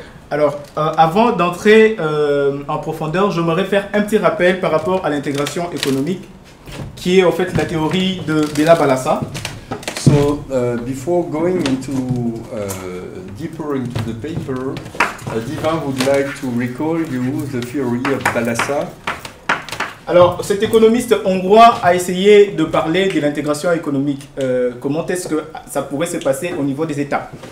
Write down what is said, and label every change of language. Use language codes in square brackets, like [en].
[fr] Alors, avant d'entrer en profondeur, j'aimerais faire un petit rappel par rapport à l'intégration économique, qui est en fait la théorie de Béla Balassa. [en] So, before going into deeper into the paper, Divin would like to recall you the theory of Balassa. [fr] Alors, cet économiste hongrois a essayé de parler de l'intégration économique. Comment est-ce que ça pourrait se passer au niveau des États?